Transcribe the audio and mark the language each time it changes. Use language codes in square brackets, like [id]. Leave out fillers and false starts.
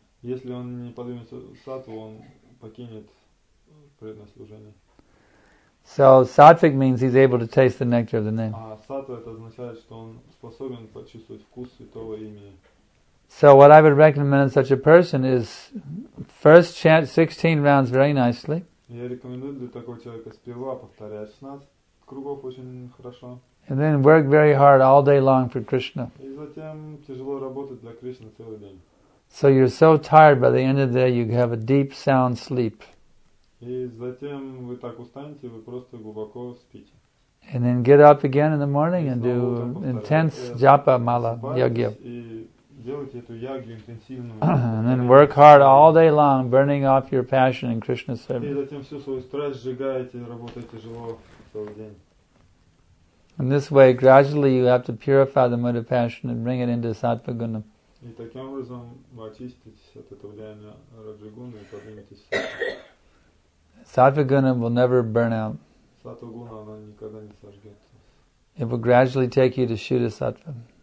[ru] Если он не поднимется в саттву, он покинет преданное служение. [en] So sattvic means he's able to taste the nectar of the name. [ru] А саттва это означает, что он способен почувствовать вкус святого имени. [en] So what I would recommend such a person is first chant 16 rounds very nicely. [ru] Я рекомендую для такого человека сперва повторять 16 кругов очень хорошо. [en] And then work very hard all day long for Krishna. [ru] И затем тяжело работать для Кришны целый день. [en] So you're so tired by the end of the day, you have a deep sound sleep. [ru] И затем вы так устанете, вы просто глубоко спите. [en] And then get up again in the morning and do intense japa mala, yagya. [ru] Делайте эту ягью интенсивную. [en] And then work hard all day long, burning off your passion in Krishna's service. [ru] И затем всю свою страсть сжигаете, работаете тяжело целый день. [en] In this way, gradually you have to purify the mode of passion and bring it into sattva-guna. [ru] И таким образом вы очиститесь от этого влияния раджа-гуны и подниметесь. [en] Sattva-guna will never burn out. [ru] Сатва-гуна, она никогда не сожгется. [en] It will gradually take you to shuddha-sattva.